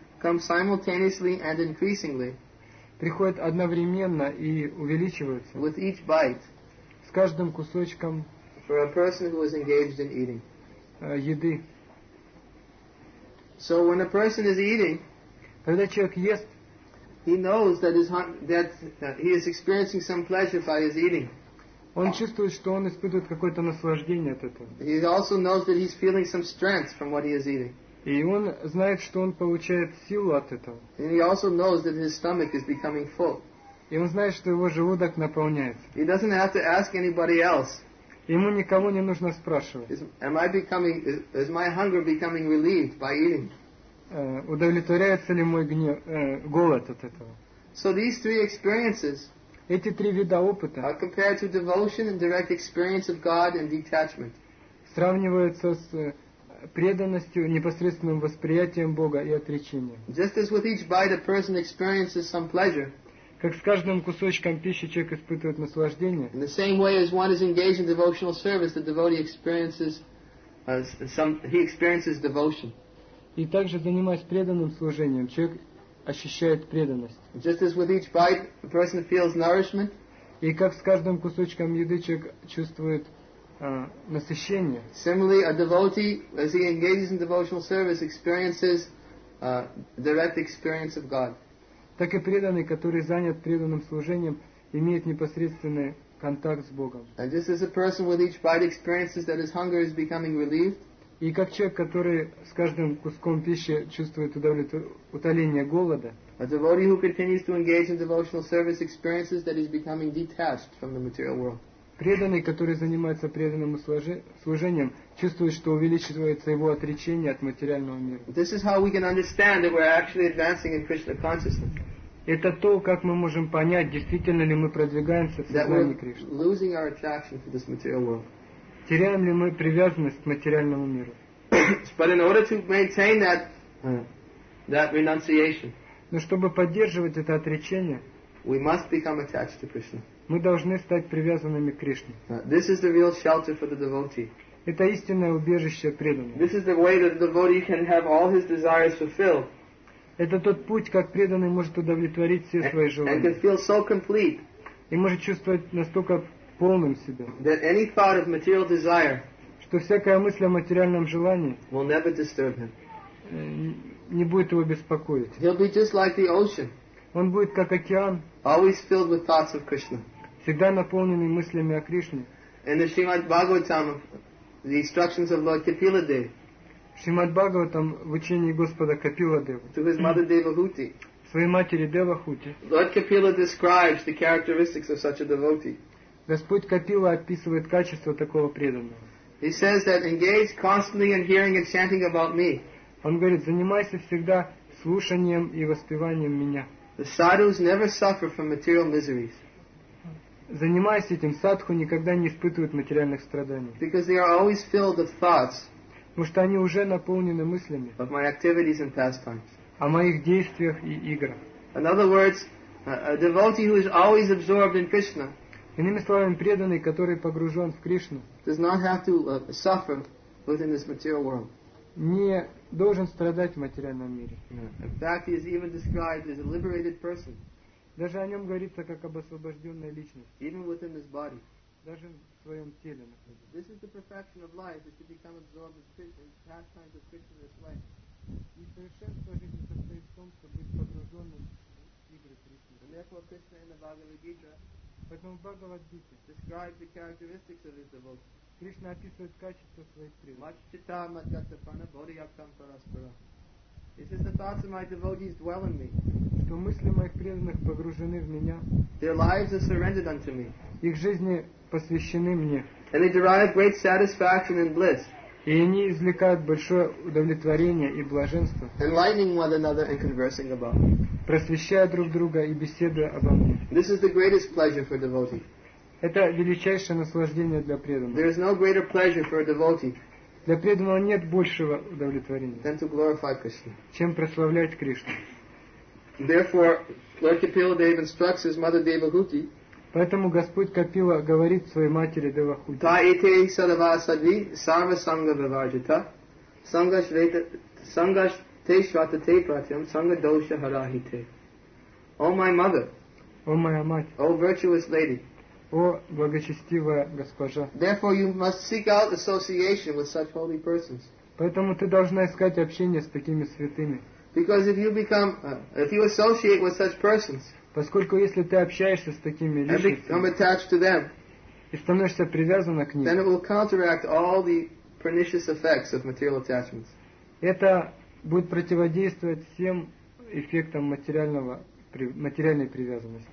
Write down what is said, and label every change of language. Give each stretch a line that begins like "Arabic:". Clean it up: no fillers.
English: come simultaneously and increasingly,
Russian: приходят одновременно и увеличиваются,
English: with each bite,
Russian: с каждым кусочком,
English: for a person who is engaged in eating,
Russian: еды.
English: So when a person is eating,
Russian: когда человек ест,
English: he knows that he is experiencing some pleasure by his eating.
Russian: Он чувствует, что он испытывает какое-то наслаждение от этого.
English: He also knows that he's feeling some strength from what he is eating.
Russian: И он знает, что он получает силу от этого.
English: And he also knows that his stomach is becoming full.
Russian: И он знает, что его желудок наполняется.
English: He doesn't have to ask anybody else.
Russian: Ему никого не нужно спрашивать.
English: Is my hunger becoming relieved by eating?
Russian: Удовлетворяется ли мой голод от этого?
English: So these three experiences,
Russian: эти три вида опыта,
English: are compared to devotion and direct experience of God and detachment.
Russian: Сравниваются с преданностью, непосредственным восприятием Бога и отречением.
English: Just as with each bite, a person experiences some pleasure.
Russian: Как с каждым кусочком пищи человек испытывает наслаждение.
English: In the same way as one is engaged in devotional service, the devotee experiences he experiences devotion.
Russian: И также занимаясь преданным служением, человек ощущает преданность.
English: Just as with each bite, a person feels nourishment.
Russian: И как с каждым кусочком еды человек чувствует насыщение.
English: Similarly, a devotee, as he engages in devotional service, experiences direct experience of God.
Russian: Так и преданный, который занят преданным служением, имеет непосредственный контакт с Богом.
English: And just as a person with each bite experiences that his hunger is becoming relieved.
Russian: И как человек, который с каждым куском пищи чувствует утоление голода,
English: a devotee who continues to engage in devotional service experiences that he's becoming detached from the material world.
Russian: Преданный, который занимается преданным служением, чувствует, что увеличивается его отречение от материального мира.
English: This is how we can understand that we're actually advancing in Krishna consciousness.
Russian: Это то, как мы можем понять, действительно ли мы продвигаемся в сознании Кришны.
English: Losing our attraction to this material world.
Russian: Теряем ли мы привязанность к материальному миру?
English: But in order to maintain that renunciation,
Russian: но чтобы поддерживать это отречение,
English: we must become attached to Krishna.
Russian: Мы должны стать привязанными к Кришне.
English: This is the real shelter for the devotee.
Russian: Это истинное убежище преданного.
English: This is the way that the devotee can have all his desires fulfilled.
Russian: Это тот путь, как преданный может удовлетворить все свои желания.
English: And can feel so complete.
Russian: И может чувствовать настолько полным себя.
English: That any thought of material desire,
Russian: что всякая мысль о материальном желании,
English: will never disturb him.
Russian: Не будет его беспокоить.
English: He'll be just like the ocean.
Russian: Он будет как океан.
English: Always filled with thoughts of Krishna.
Russian: Всегда наполненный мыслями о Кришне.
English: In the Srimad Bhagavatam, the instructions of Lord Kapiladeva.
Russian: Srimad Bhagavatam, в учении Господа Капиладева.
English: To his mother Devahuti.
Russian: Своей матери Девахути.
English: Lord Kapila describes the characteristics of such a devotee.
Russian: Господь Капила описывает качество такого преданного.
English: He says that engage constantly in hearing and chanting about me.
Russian: Он говорит, занимайся всегда слушанием и воспеванием меня.
English: The sadhus never suffer from material miseries.
Russian: Занимаясь этим, садху никогда не испытывают материальных страданий.
English: Because they are always filled with thoughts.
Russian: Потому что они уже наполнены мыслями.
English: Of my activities and pastimes.
Russian: О моих действиях и играх.
English: In other words, a devotee who is always absorbed in Krishna.
Russian: Иными словами, преданный, который погружен в Кришну,
English: does not have to suffer within this material world.
Russian: Не должен страдать в материальном мире.
English: In fact, he is even described as a liberated person.
Russian: Даже о нем говорится как об освобожденной личности.
English: Even within his body.
Russian: Даже в своем теле.
English: This is the perfection of life, is to become absorbed in pastimes of Krishna's life.
Russian: И совершенство жизни состоит в том, чтобы быть погруженным в игры Кришны.
English: And therefore Krishna in the Bhagavad Gita,
Russian: поэтому в Бхагавад-гите,
English: describes the characteristics of his devotees.
Russian: Кришна описывает качество своих преданных.
Sanskrit: Маччита маджата пана бодхиактам параспара.
English: This is the thoughts of my devotees dwell in me.
Russian: Что мысли моих преданных погружены в меня.
English: Their lives are surrendered unto me.
Russian: Их жизни посвящены мне.
English: And they derive great satisfaction and bliss.
Russian: И они извлекают большое удовлетворение и блаженство.
English: Enlightening one another and conversing about me.
Russian: Просвещая друг друга и беседуя обо мне.
English: This is the greatest pleasure for devotee.
Russian: Это величайшее наслаждение для преданного.
English: There is no greater pleasure for a devotee.
Russian: Для преданного нет большего удовлетворения,
English: than to glorify Krishna.
Russian: Чем прославлять Кришну.
English: Therefore, Lord Kapiladeva instructs his mother Devahuti.
Russian: Поэтому Господь Капила говорит своей матери Девахути.
Sanskrit: Та ете салава садви сарва санга вивачита санга швета санга те швата те пратям санга доша харахите.
English: О, my mother.
Russian: О, моя мать.
English: О, virtuous lady.
Russian: О, благочестивая госпожа.
English: Therefore you must seek out association with such holy persons.
Russian: Поэтому ты должна искать общение с такими святыми.
English: Because if you become, if you associate with such persons,
Russian: поскольку если ты общаешься с такими личностями,
English: attached to them,
Russian: и становишься привязана к ним,
English: then it will counteract all the pernicious effects of material attachments.
Russian: Это будет противодействовать всем эффектам материального, материальной привязанности.